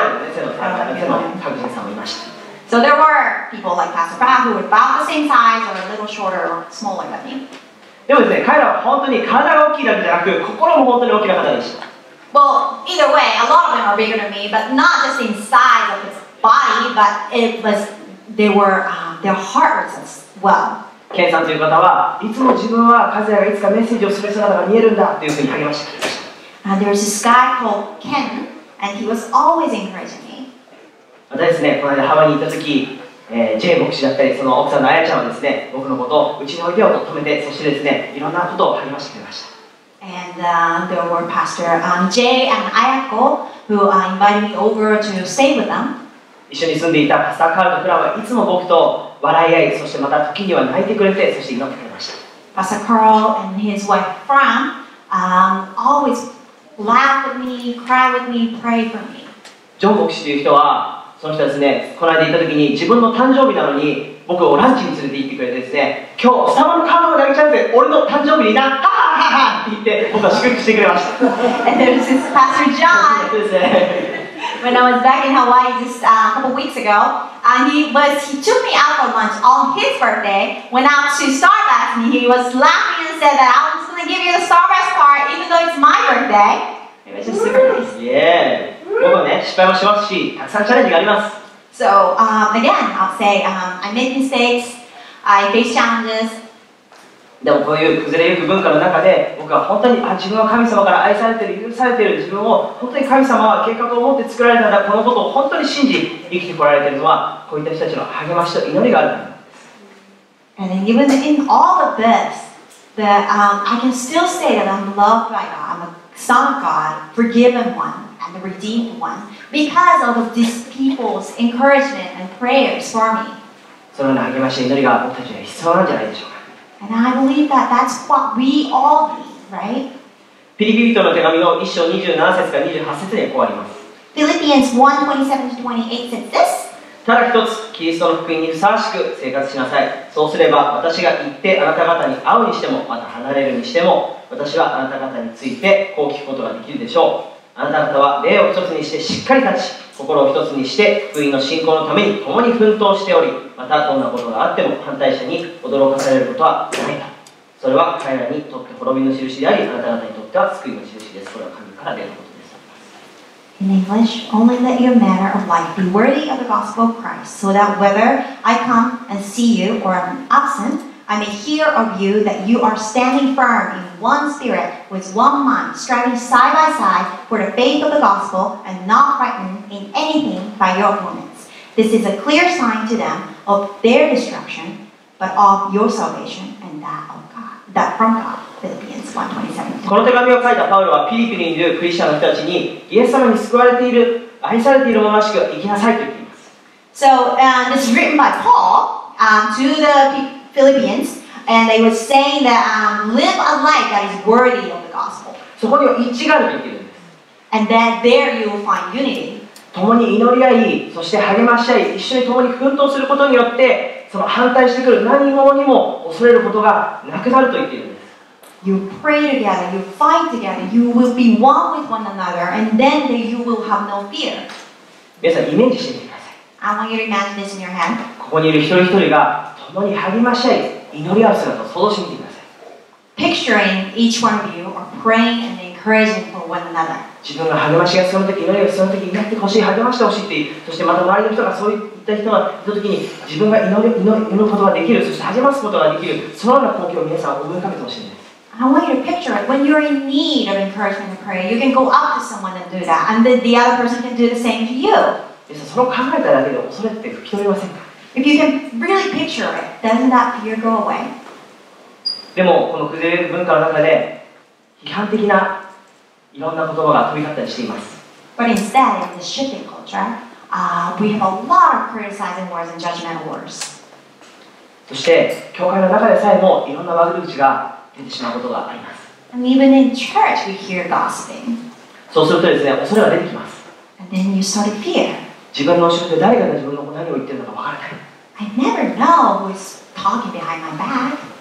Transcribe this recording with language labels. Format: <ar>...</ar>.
<en>So there were people like Pastor Pat who were about the same size or a little shorter or smaller than me. Well, either way, a lot of them are bigger than me, but not just in size of his body, but it was, they were, their heart was as well.</en> <ja>ケンさんという方は、いつも自分はカズヤがいつかメッセージをする姿が見えるんだというふうに励ましてくれました。</ja> <en>There was this guy called Ken, and he was always encouraging me.</en> <ja>またですね、この間ハワイに行った時、ジェイ牧師だったり、その奥さんのアヤちゃんはですね、僕のことをうちにおいでよと止めて、そしてですね、いろんなことを励ましてくれました。</ja> <en>And there were Pastor Jay and Ayako, who invited me over to stay with them.</en> <ja>一緒に住んでいたパスターカールとフランはいつも僕と笑い合い、そしてまた時には泣いてくれて、そして祈ってくれました。</ja> <en>Pastor Carl and his wife Fran always laugh with me, cry with me, pray for me.</en> <ja>ジョン牧師という人は、その人ですね、この間行った時に自分の誕生日なのに僕をランチに連れて行ってくれてですね、今日貴様のカードを投げちゃって俺の誕生日になった、ハハハって言って僕は祝福してくれました。</ja> <en>And there was this Pastor John. When I was back in Hawaii just a couple weeks ago, he took me out for lunch on his birthday, went out to Starbucks, and he was laughing and said that I was going to give you the Starbucks card even though it's my birthday. It was just super nice. Yeah.</en> <ja>僕はね、失敗もしますし、たくさんチャレンジがあります。</ja> <en>So, again, I'll say, I made mistakes, I face challenges.</en> <ja>でもこういう崩れゆく文化の中で僕は本当に自分は神様から愛されている、許されている、自分を本当に神様は計画を持って作られたんだ、このことを本当に信じ生きてこられているのはこういった人たちの励ましと祈りがあるから</ja> <en>です。 And even in all of this that, I can still say that I'm loved by God, I'm a son of God, forgiven one and the redeemed one because of these people's encouragement and prayers for me.</en> <ja>そのような励ましと祈りが僕たちには必要なんじゃないでしょうか。</ja> <en>And I believe that that's what we all need, right?</en> <ja>ピリピ人の手紙の1章27節から28節にこうあります。</ja> <en>Philippians 1:27-28 says this.</en> <ja>ただ一つ、キリストの福音にふさわしく生活しなさい。そうすれば、私が行ってあなた方に会うにしても、また離れるにしても、私はあなた方についてこう聞くことができるでしょう。あなた方は霊を一つにしてしっかり立ち、心を一つにして福音の信仰のために共に奮闘しており、またどんなことがあっても反対者に驚かされることはないか。それは彼らにとって滅びの印であり、あなた方にとっては救いの印です。これは神から出ることです。</ja> <en>In English, only let your manner of life be worthy of the gospel of Christ, so that whether I come and see you or am absent, I may hear of you that you are standing firm in one spirit with one mind, striving side by side for the faith of the gospel and not frightened in anything by your opponents. This is a clear sign to them of their destruction, but of your salvation and that of God, that from God. Philippians 1:27.</en> <ja>この手紙を書いたパウロはフィリピにいるクリスチャンの人たちにイエス様に救われている、愛されているものらしく生きなさいと言っています。</ja> <en>So, this is written by Paul, to the Philippians, and they were saying that live a life that is worthy of the gospel.</en> <ja>そこには一致があるって言ってるんです。</ja> <en>And then there you will find unity.</en> <ja>共に祈り合い、そして励まし合い、一緒に共に奮闘することによって、その反対してくる何者にも恐れることがなくなると言ってるんです。</ja> <en>You pray together, you fight together, you will be one with one another, and then you will have no fear.</en> <ja>皆さんイメージしてみてください。</ja> <en>I want you to imagine this in your head.</en> <ja>ここにいる一人一人が共に励まし合い、祈り合う姿を想像してみてください。</ja> <en>Picturing each one of you are praying and encouraging for one another.</en> <ja>自分が励ましが必要な時、祈りが必要な時、祈ってほしい、励ましてほしいって、そしてまた周りの人がそういった人がいた時に、自分が祈ることができる、そして励ますことができる、そのような光景を皆さん思い浮かべてほしいんです。</ja> <en>I want you to picture it. When you're in need of encouragement and prayer, you can go up to someone and do that, and then the other person can do the same to you.</en> <ja>皆さん、それを考えただけで恐れって吹き飛びませんか？</ja> <en>If you can really picture it, doesn't that fear go away?</en> <ja>でもこの崩れる文化の中で批判的ないろんな言葉が飛び交ったりしています。</ja> <en>But instead, in the shipping culture, we have a lot of criticizing words and judgmental words.</en> <ja>そして教会の中でさえもいろんな悪口が出てしまうことがあります。</ja> <en>And even in church, we hear gossiping.</en> <ja>そうするとですね、恐れが出てきます。</ja> <en>And then you start fear.</en> <ja>自分の後ろで誰かが自分の何を言ってるのか分からない。</ja> <en>I never know who's talking behind my back.</en>